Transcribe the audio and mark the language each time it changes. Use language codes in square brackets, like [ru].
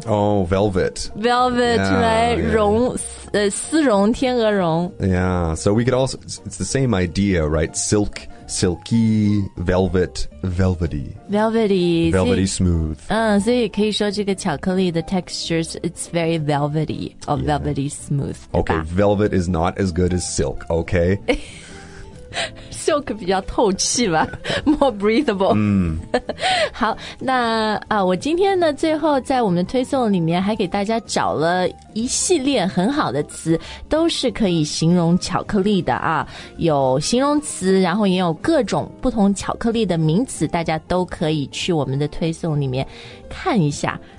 [en] 哦、oh, velvet yeah, 来绒、yeah. [zh] 丝绒天鹅绒 [en] yeah so we could also it's the same idea right silkSilky, velvet, velvety. Velvety. Velvety smooth. [zh] 所以可以说这个巧克力的 textures, [en] it's very velvety or、 [zh] yeah. velvety smooth. [en] Okay, velvet is not as good as silk, okay? [zh] Silk 比较透气吧 [en] more breathable. [zh] 好，那我今天呢，最后在我们的推送里面还给大家找了一系列很好的词，都是可以形容巧克力的啊，有形容词，然后也有各种不同巧克力的名词，大家都可以去我们的推送里面看一下。